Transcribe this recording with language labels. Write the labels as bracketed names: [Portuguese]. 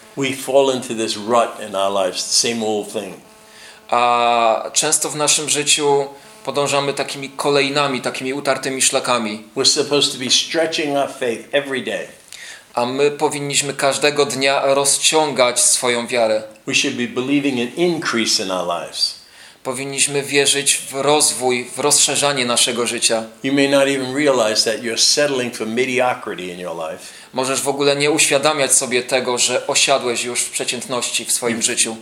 [English] We fall into this rut in our lives, the same old thing. [Polish] A często w naszym życiu podążamy takimi kolejnami, takimi utartymi szlakami. [English] We're supposed to be stretching our faith every day. [Polish] A my powinniśmy każdego dnia rozciągać swoją wiarę. [English] We should be believing an increase in our lives. [Polish] Powinniśmy wierzyć w rozwój, w rozszerzanie naszego życia. [English] You may not even realize that you're settling for mediocrity in your life. [Polish] Możesz w ogóle nie uświadamiać sobie tego, że osiadłeś już w przeciętności w swoim życiu.